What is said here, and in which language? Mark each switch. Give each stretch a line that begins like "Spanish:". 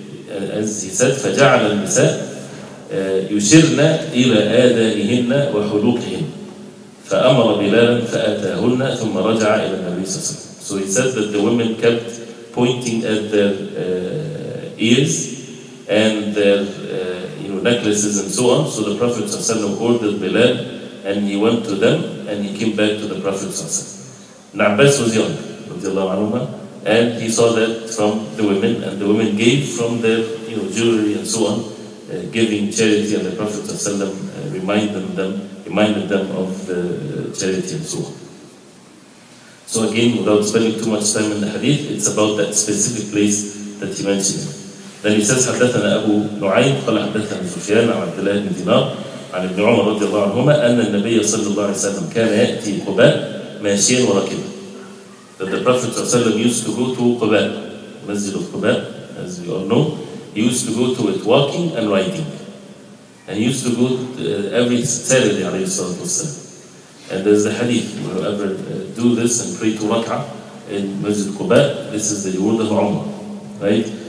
Arabic: As he said, فجعل النساء يشرنا إلى آذانهن وحلوقهن فأمر بلالا فأتاهن ثم رجع إلى النبي صلى الله عليه وسلم.
English: So he said that the women kept pointing at their ears and their necklaces and so on. So the Prophet صلى الله عليه وسلم ordered Bilal, and he went to them and he came back to the Prophet صلى الله عليه وسلم. Na'bas was young رضي الله عنهما, and he saw that from the women, and the women gave from their jewelry and so on, giving charity, and the Prophet ﷺ reminded them of the charity and so on. So again, without spending too much time in the hadith, it's about that specific place that he mentioned.
Arabic: Then he says, حدثنا أبو نعيم قال حدثنا سفيان عن عبد الله بن دينار عن ابن عمر رضي الله عنهما أن النبي صلى الله عليه وسلم كان يأتي قباء ماشيا وراكبا.
English: That the Prophet ﷺ used to go to قباء, Masjid of قباء, as we all know. He used to go to it walking and riding. And he used to go every Saturday, alayhi salatu wasalam. And there's the hadith, whoever do this and pray to Raqqa in Masjid Quba, this is the reward of Umar. Right?